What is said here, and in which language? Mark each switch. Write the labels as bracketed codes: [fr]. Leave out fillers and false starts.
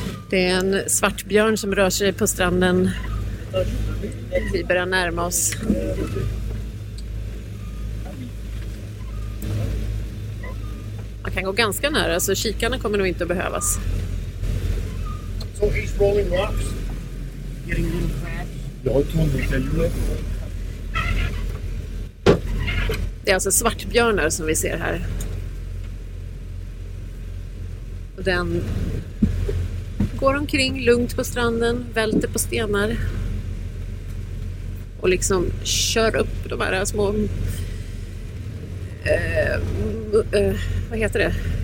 [sv] Det är en svart björn som rör sig på stranden. Vi börjar närma oss. Man kan gå ganska nära, så kikarna kommer nog inte att behövas. [en] So he's rolling rocks, getting little crabs. [sv] Det är alltså svartbjörnar som vi ser här. Den går omkring lugnt på stranden, välter på stenar och liksom kör upp de här små vad heter det?